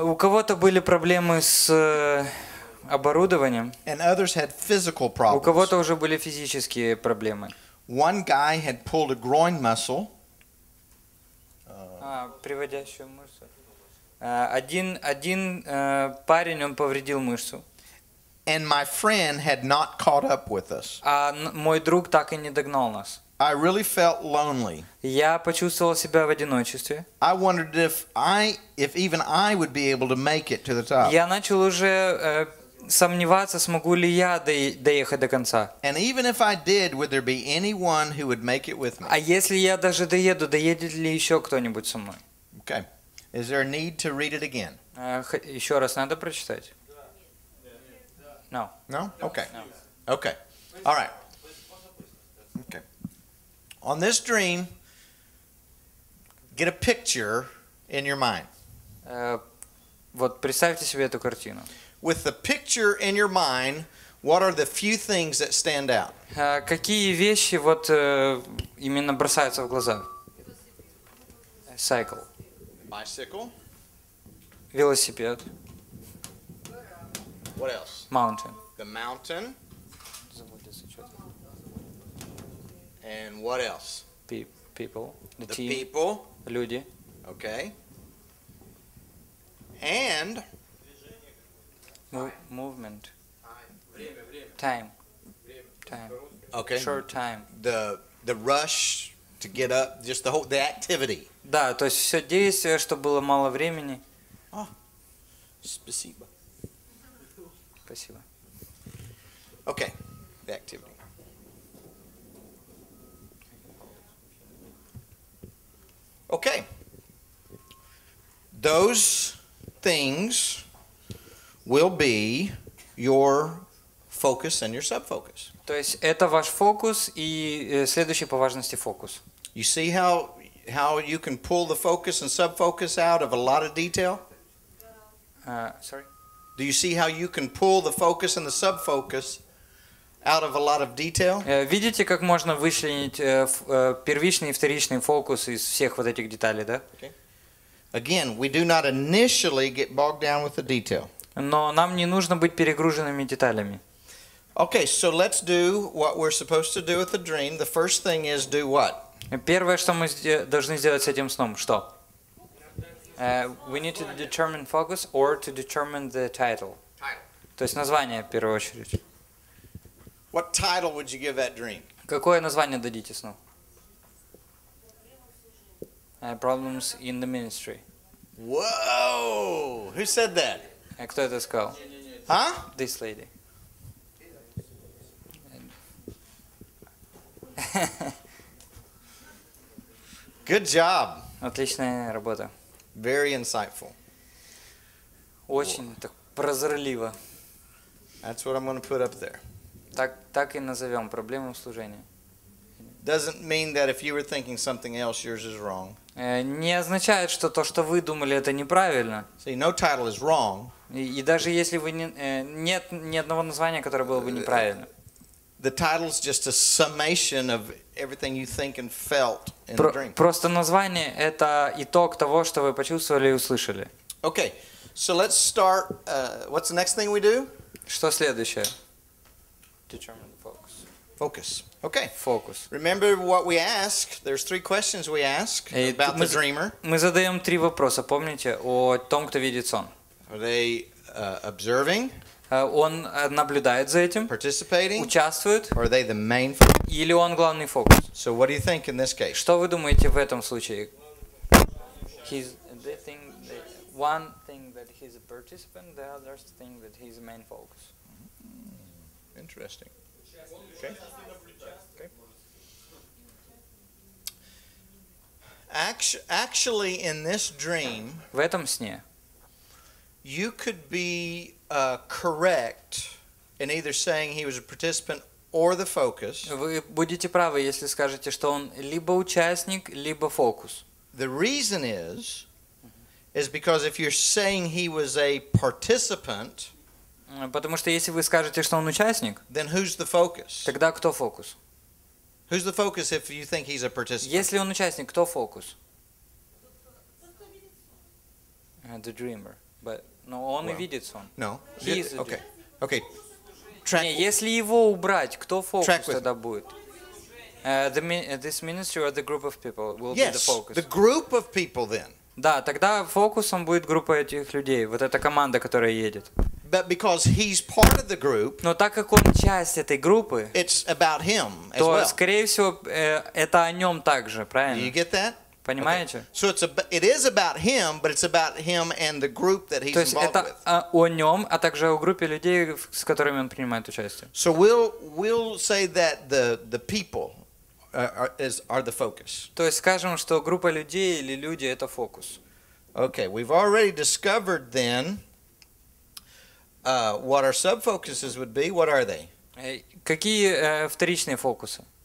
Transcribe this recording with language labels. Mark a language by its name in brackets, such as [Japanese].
[Russian] У кого-то были проблемы с оборудованием. [English] And others had physical problems. [Russian] У кого-то уже были физические проблемы. [English] One guy had pulled a groin muscle. [Russian] Приводящую мышцу. Один парень, он повредил мышцу. [English] And my friend had not caught up with us. [Russian] Мой друг так и не догнал нас. [English] I really felt lonely. [Russian] Я почувствовал себя в одиночестве. [English] I wondered if even I would be able to make it to the top. [Russian] Я начал уже сомневаться, смогу ли я доехать до конца. [English] And even if I did, would there be anyone who would make it with me? [Russian] А если я даже доеду, доедет ли еще кто-нибудь со мной? [English] Okay. Is there a need to read it again? [Russian] Еще раз надо прочитать. [English] No. No? Okay. No. Okay. All right. Okay. On this dream, get a picture in your mind. [Russian] Вот представьте себе эту картину. [English] With the picture in your mind, what are the few things that stand out? [Russian] Какие вещи вот именно бросаются в глаза? [English] Cycle. Bicycle. [Russian] Велосипед. [English] What else? Mountain. The mountain. And what else? People. The team. People. [Russian] Люди. [English] Okay. And movement. Time. Okay. Short time. The rush to get up. Just the activity. [Russian] Да, то есть все действие, что было мало времени. Спасибо. Спасибо. [English] Okay, the activity. Okay. Those things will be your focus and your subfocus. [Russian] То есть это ваш фокус и следующий по важности фокус. [English] You see how you can pull the focus and subfocus out of a lot of detail? Sorry? Do you see how you can pull the focus and the subfocus out of a lot of detail? [Russian] Видите, как можно вычленить первичный и вторичный фокус из всех вот этих деталей, да? [English] Again, we do not initially get bogged down with the detail. [Russian] Но нам не нужно быть перегруженными деталями. [English] Okay, so let's do what we're supposed to do with the dream. The first thing is do what? [Russian] Первое, что мы должны сделать с этим сном, что? [English] We need to determine focus or to determine the title. [Russian] То есть название в первую очередь. [English] What title would you give that dream? [Russian] Какое название дадите сну? [English] problems in the ministry. Whoa! Who said that? [Russian] Кто это сказал? [English] Huh? This lady. Good job. [Russian] Отличная работа. [English] Very insightful. [Russian] Очень так прозорливо. [English] That's what I'm going to put up there. [Russian] Так и назовем проблему в служении. [English] Doesn't mean that if you were thinking something else, yours is wrong. [Russian] Не означает, что то, что вы думали, это неправильно. [English] See, no title is wrong. [Russian] И даже если вы нет ни одного названия, которое было бы неправильно. [English] The title's just a summation of everything you think and felt in the dream. [Russian] Просто название — это итог того, что вы почувствовали и услышали. [English] Okay, so let's start. What's the next thing we do? [Russian] Что следующее? [English] Determine the focus. Focus. Okay. Focus. Remember what we ask. There's three questions we ask about the dreamer. [Russian] Мы задаем три вопроса, помните, о том, кто видит сон. [English] Are they observing? [Russian] Он наблюдает за этим, [English] participating, [Russian] участвует, [English] or are they the main focus? [Russian] Или он главный фокус? [English] So what do you think in this case? [Russian] Что вы думаете в этом случае? [English] He's the thing, the one thing that he's a participant, the other thing that he's the main focus. Interesting. Okay. Actually, in this dream, [Russian] в этом сне, [English] you could be correct in either saying he was a participant or the focus. [Russian] Вы будете правы, если скажете, что он либо участник, либо фокус. [English] The reason is because if you're saying he was a participant, [Russian] потому что если вы скажете, что он участник, [English] then who's the focus? [Russian] Тогда кто фокус? [English] Who's the focus if you think he's a participant? [Russian] Если он участник, кто фокус? [English] The dreamer, but. [Russian] Но он [English] well, [Russian] и видит сон. [English] No. Okay. Track. [Russian] Не, если его убрать, кто фокус Track тогда будет? [English] This ministry or the group of people will yes, be the focus. The group of people then. [Russian] Да, тогда фокусом будет группа этих людей, вот эта команда, которая едет. [English] But because he's part of the group, [Russian] но так как он часть этой группы, [English] it's about him as [Russian] то, [English] well. [Russian] Скорее всего, это о нем также, правильно? [English] Do you get that? [Russian] Понимаете? [English] Okay. So it is about him, but it's about him and the group that he's involved with. [Russian] То есть это о нем, а также о группе людей, с которыми он принимает участие. [English] So we'll say that the people are the focus. [Russian] То есть скажем, что группа людей или люди это фокус. [English] Okay, we've already discovered then what our subfocuses would be. What are they? [Russian] Какие вторичные фокусы?